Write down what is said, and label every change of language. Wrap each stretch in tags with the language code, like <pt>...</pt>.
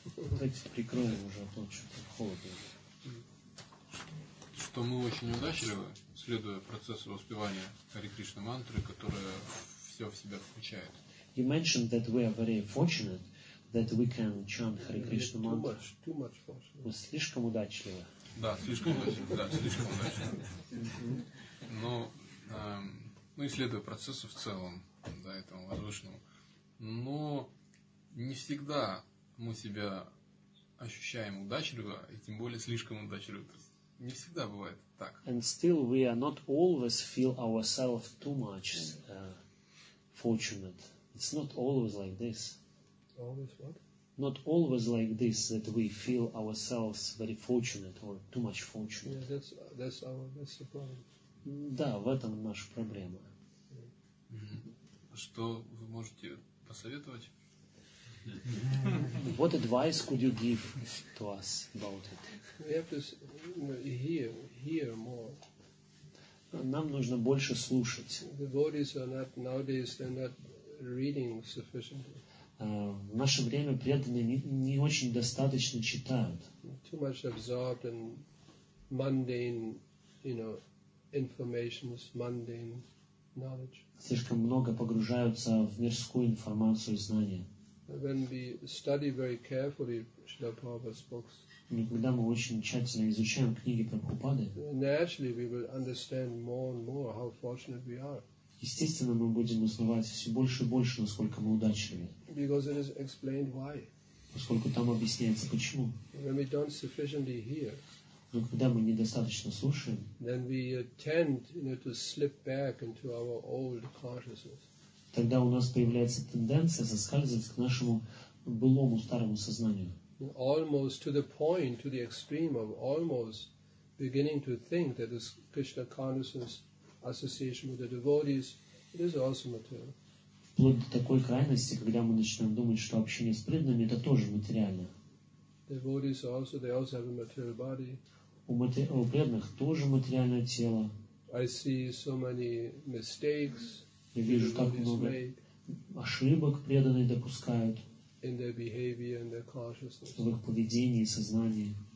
<ru>Давайте прикроем уже, а то что-то холодно. Что мы очень удачливы, следуя процессу воспевания Хари Кришна мантры, которая все в себя включает.</ru> <en>You mentioned that we are very fortunate that we can chant Hare Krishna mantra.</en> <ru>Мы слишком удачливы. Да, слишком удачливы. Да, слишком удачливы. Но мы исследуем процессы в целом, да, этому возвышенному. Но не всегда мы себя ощущаем удачливо, и тем более слишком удачливо. То есть не всегда бывает так.</ru> <en>And still we are not always feel ourselves too much fortunate. It's not always like this. Always what? Not always like this, that we feel ourselves very fortunate or too much fortunate. Yeah, that's the problem.</en> <ru>Да, в этом наша проблема. Что вы можете посоветовать?</ru> <en>What advice could you give to us about it? We have to hear more.</en> <ru>Нам нужно больше слушать.</ru> <en>The devotees are not nowadays they're not reading sufficiently.</en> <ru>В наше время преданные не очень достаточно читают.</ru> <en>Too much absorbed in mundane, you know, information, mundane knowledge.</en> <ru>Слишком много погружаются в мирскую информацию и знания.</ru> <en>When we study very carefully Srila Prabhupada's books,</en> <ru>когда мы очень тщательно изучаем книги Прабхупады,</ru> <en>naturally we will understand more and more how fortunate we are.</en> <ru>Естественно, мы будем узнавать все больше и больше, насколько мы удачливы.</ru> <en>Because it is explained why.</en> <ru>Поскольку там объясняется почему.</ru> <en>When we don't sufficiently hear,</en> <ru>но когда мы недостаточно слушаем,</ru> <en>then we tend, you know, to slip back into our old consciousness.</en> <ru>Тогда у нас появляется тенденция соскальзывать к нашему былому старому сознанию.</ru> <en>Almost to the point, to the extreme of almost beginning to think that this Krishna consciousness association with the devotees, it is also material.</en> <ru>Вплоть до такой крайности, когда мы начинаем думать, что общение с преданными это тоже материально.</ru> <en>Devotees also, they also have a material body.</en> <ru>У преданных тоже материальное тело.</ru> <en>I see so many mistakes.</en> <ru>Я вижу так много ошибок преданные допускают</ru> <en>in their behavior and their consciousness.</en> <ru>В их поведении и сознании.</ru>